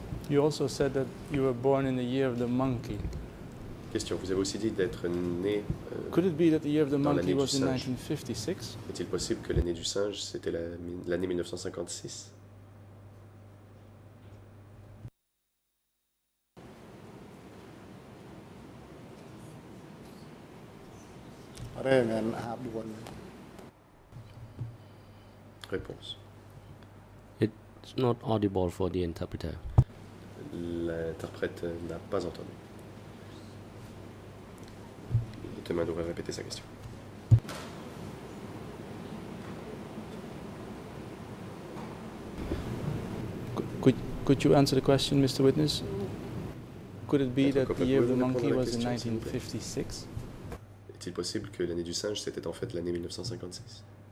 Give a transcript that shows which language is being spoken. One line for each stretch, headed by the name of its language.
English: You also said that you were born in the year of the monkey.
French: Question, vous avez aussi dit d'être né.
English: Could it be that the year of the monkey was in 1956?
French: Est-il possible que l'année du singe c'était l'année 1956? Réponse.
English: It's not audible for the interpreter.
French: L'interprète n'a pas entendu. Le témoin devrait répéter sa question.
English: Could you answer the question, Mr. Witness? Could it be that the year of the monkey was in 1956?
French: Est-il possible que l'année du singe, c'était en fait l'année 1956?